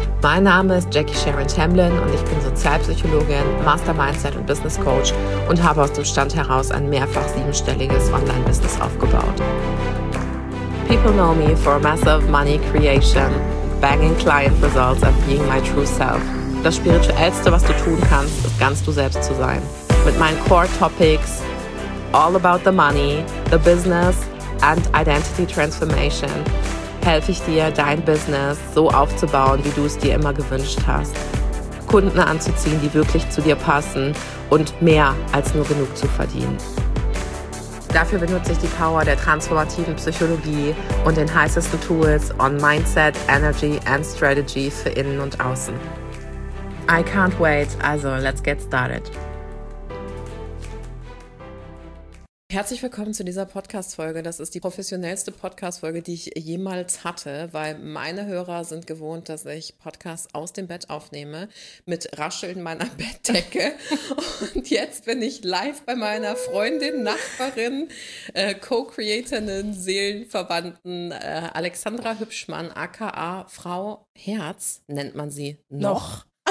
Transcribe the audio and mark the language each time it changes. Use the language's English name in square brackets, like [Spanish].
[German] Mein Name ist Jackie Sharon Tamblyn und ich bin Sozialpsychologin, Master Mindset und Business Coach und habe aus dem Stand heraus ein mehrfach siebenstelliges Online-Business aufgebaut. [English] People know me for massive money creation, banging client results and being my true self. [German] Das Spirituellste, was du tun kannst, ist ganz du selbst zu sein. Mit meinen Core Topics, [English] all about the money, the business and identity transformation, [German] helfe ich dir, dein Business so aufzubauen, wie du es dir immer gewünscht hast. Kunden anzuziehen, die wirklich zu dir passen und mehr als nur genug zu verdienen. Dafür benutze ich die Power der transformativen Psychologie und den heißesten Tools [English] on Mindset, Energy and Strategy [German] für Innen und Außen. [English] I can't wait, also let's get started. [German] Herzlich willkommen zu dieser Podcast-Folge. Das ist die professionellste Podcast-Folge, die ich jemals hatte, weil meine Hörer sind gewohnt, dass ich Podcasts aus dem Bett aufnehme, mit Rascheln meiner Bettdecke. Und jetzt bin ich live bei meiner Freundin, Nachbarin, Co-Creatorin, Seelenverwandten, Alexandra Hübschmann, aka Frau Herz, nennt man sie noch.